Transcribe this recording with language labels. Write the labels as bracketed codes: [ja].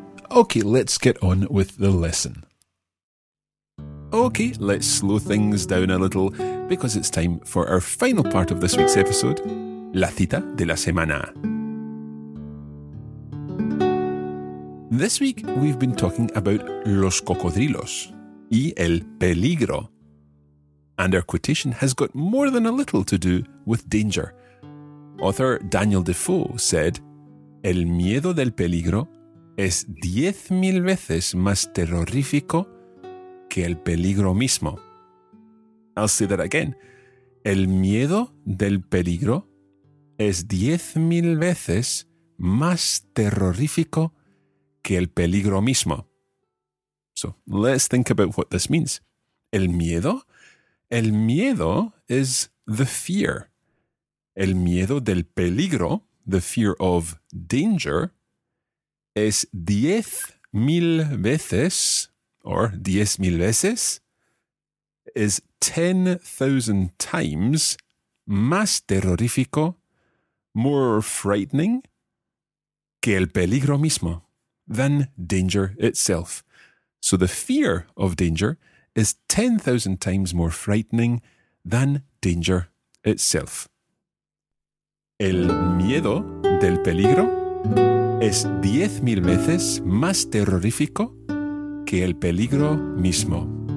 [en] Okay, let's get on with the lesson. Okay, let's slow things down a little because it's time for our final part of this week's episode, La Cita de la Semana. This week, we've been talking about [es] los cocodrilos y el peligro. [en] And our quotation has got more than a little to do with danger. Author Daniel Defoe said, [es] El miedo del peligro es 10,000 veces más terrorífico que el peligro mismo. [en] I'll say that again. [es] El miedo del peligro es 10,000 veces más terrorífico que el peligro mismo. [en] So, let's think about what this means. [es] El miedo. [en] El miedo is the fear. [es] El miedo del peligro, [en] the fear of danger, [es] es 10,000 veces, [en] or 10,000 veces, is 10,000 times [es] más terrorífico, [en] more frightening, [es] que el peligro mismo, [en] than danger itself. So the fear of danger is 10,000 times more frightening than danger itself. [es] El miedo del peligro es 10,000 veces más terrorífico que el peligro mismo.